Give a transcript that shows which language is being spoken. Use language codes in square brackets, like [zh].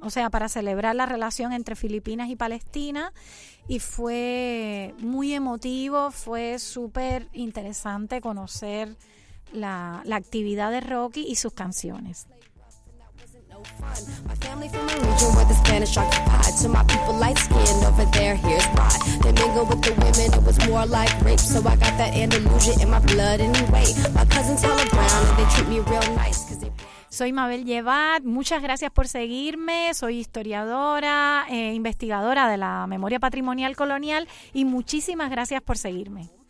[es] para celebrar la relación entre Filipinas y Palestina, y fue muy emotivo, fue súper interesante conocer la actividad de Rocky y sus canciones. [en] My family from a region where the Spanish occupied. So my people light skinned over there, here's why. They mingle with the women, it was more like rape. So I got that Andalusia in my blood anyway. My cousins all around and they treat me real nice. [es] Soy Mabel Llevat, muchas gracias por seguirme. Soy historiadora, investigadora de la memoria patrimonial colonial, y muchísimas gracias por seguirme.